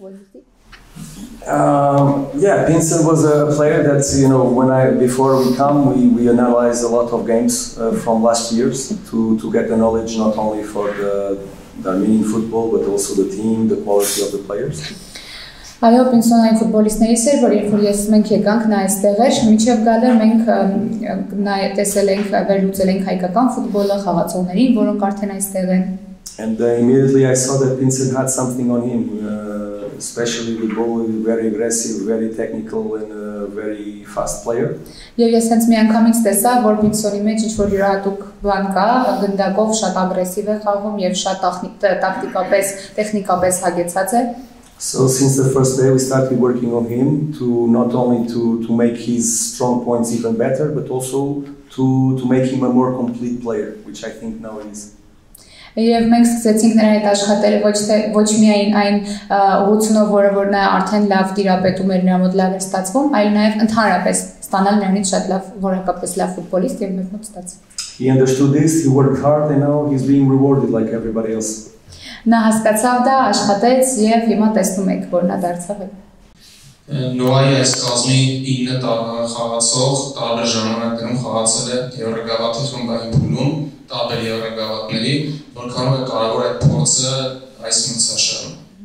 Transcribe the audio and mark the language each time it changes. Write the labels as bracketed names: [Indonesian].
[English] What do you think? Yeah, Pinsen was a player that, you know, before we analyzed a lot of games from last years to get the knowledge not only for the Armenian football but also the team, the quality of the players. [Armenian] Այո, Պինսոն այն ֆուտբոլիստներից էր, որ երբ որ ես մենք եկանք նա այստեղ էր, միջև գալը մենք նա տեսել ենք, վերլուծել ենք հայկական ֆուտբոլը խաղացողներին, որոնք արդեն այստեղ են. [English] And immediately I saw that Pinsen had something on him, especially with ball, very aggressive, very technical and very fast player. [Armenian] Եվ ես հենց մի անգամից տեսա, որ Պինսոնի մեջ ինչ-որ յուրահատուկ բան կա, գնդակով շատ ագրեսիվ է խաղում եւ շատ տակտիկապես, տեխնիկապես հագեցած է. [English] So since the first day we started working on him to not only to make his strong points even better, but also to make him a more complete player, which I think now is. [Armenian] Եվ մենք սկսեցինք նրա հետ աշխատել ոչ միայն այն ուղղությունով, որը որ նա արդեն լավ դիրապետում էր, նրա մոտ լավ էր ստացվում, այլ նաև ընդհանրապես ստանալ նրանից շատ լավ, որակապես լավ ֆուտբոլիստ եւ մեծ ստացել։ [English] He understood this, he worked hard, and now he's being rewarded like everybody else. [Armenian] Նա հասկացավ դա, աշխատեց եւ հիմա տեսնում եք, որ նա դարձավ է։ Նոյայի այս կազմի 9 տարվա խաղացող տարբեր ժամանակներում խաղացել է երկրագավաթի խմբային փուլում տարբեր երկրագավաթների, որքանով է կարևոր այդ փորձը այս մրցաշարում։